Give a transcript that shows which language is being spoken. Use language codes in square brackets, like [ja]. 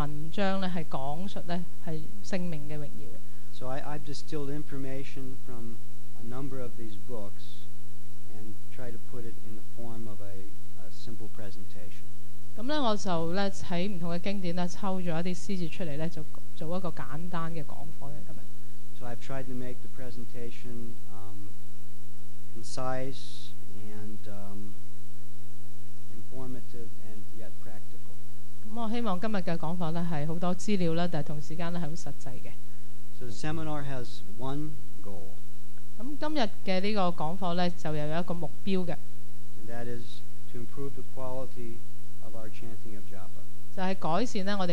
[zh] 是數以萬計的頁數的文章是講述聖明的榮耀 [en] So I've distilled information from a number of these books and try to put it in the form of a simple presentation [zh] 我就在不同的經典抽了一些詩節出來做一個簡單的講課 [en] So I've tried to make the presentation concise and informative and yet practical [zh] 我希望今天的講課是很多資料但同時間是很實際的 [en] So the seminar has one goal [zh] 今天的這個講課就有一個目標的 [en] And that is to improve the quality of our chanting of japa.